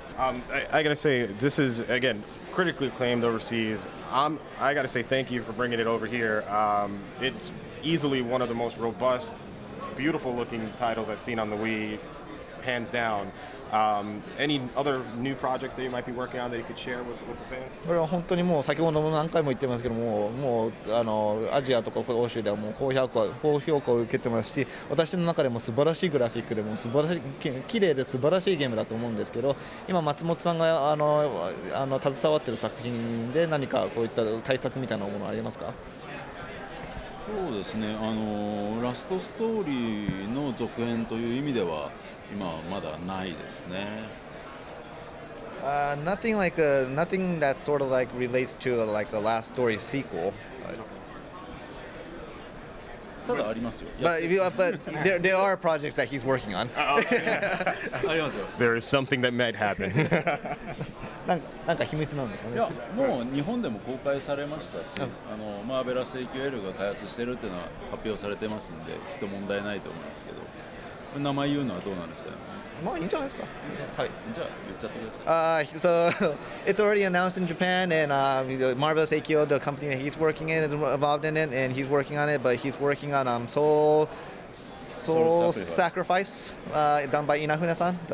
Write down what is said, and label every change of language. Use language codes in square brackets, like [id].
[en] I gotta say, this is again critically acclaimed overseas. I gotta say thank you for bringing it over here. It's easily one of the most robust, beautiful looking titles I've seen on the Wii, hands down. Any other new projects that you might be working on that you could share with the fans? [ja] これは本当にもう先ほども何回も言ってますけども、もうあのアジアとか欧州ではもう高評価を受けてますし、私の中でも素晴らしいグラフィックでも素晴らしい綺麗で素晴らしいゲームだと思うんですけど、今松本さんがあの携わってる作品で何かこういった対策みたいなものありますか？そうですね、あのラストストーリーの続編という意味では今はまだないですね。 [en] Nothing like nothing that sort of like relates to a, like a last story sequel. [ja] ただありますよ。 [en] But there are projects that he's working on. [ja] ありますよ。 [en] There is something that might happen. [ja] なんか秘密なんですかね。いや、もう日本でも公開されましたし、あのマーベラス AQL が開発してるっていうのは発表されてますんで、きっと問題ないと思いますけど。名前言うのはどうなんですか？まあいいんじゃないですか。はい。じゃあ言っちゃってください。 [en] So it's already announced in Japan, and Marvelous AKO, the company that he's working in, is involved in it, and he's working on it. But he's working on Soul Sacrifice, done by Inafune-san.